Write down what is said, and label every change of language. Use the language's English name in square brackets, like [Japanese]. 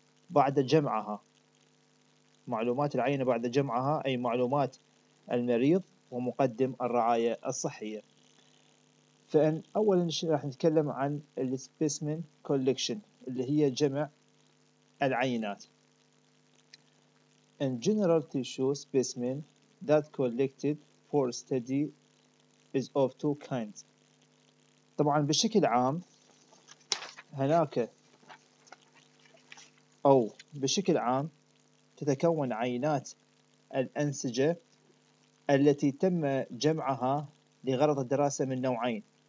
[Arabic] بعد جمعها، معلومات العينة بعد جمعها أي معلومات المريض ومقدم الرعاية الصحية. فإن أولا راح نتكلم عن [English] specimen collection [Arabic] اللي هي جمع العينات. [English] In general tissue specimen that collected for study is of two kinds. [Arabic] طبعا بشكل عام هناك أو بشكل عام تتكون عينات الأنسجة التي تم جمعها لغرض الدراسة من نوعين.